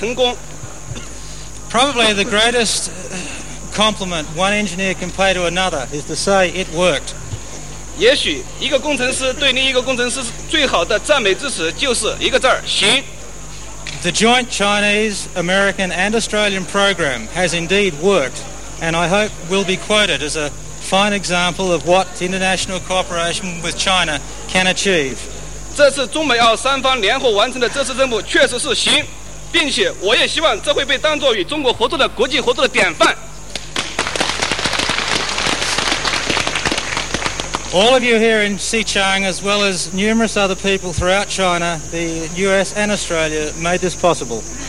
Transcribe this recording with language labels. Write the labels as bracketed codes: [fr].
[zh] 前进的道路并不平坦，但因为我们的精诚合作、互相尊重与理解，借一些平凡的努力，我们终于获得了成功。 [en] Probably the greatest compliment one engineer can pay to another is to say it worked. [zh] 也许一个工程师对另一个工程师最好的赞美之词就是一个字儿，行。 [en] The joint Chinese, American, and Australian program has indeed worked, and I hope will be quoted as a fine example of what international cooperation with China can achieve. [zh] 这次中美澳三方联合完成的这次任务确实是行，并且我也希望这会被当作与中国合作的国际合作的典范。 [en] All of you here in Xichang, as well as numerous other people throughout China, the US and Australia, made this possible.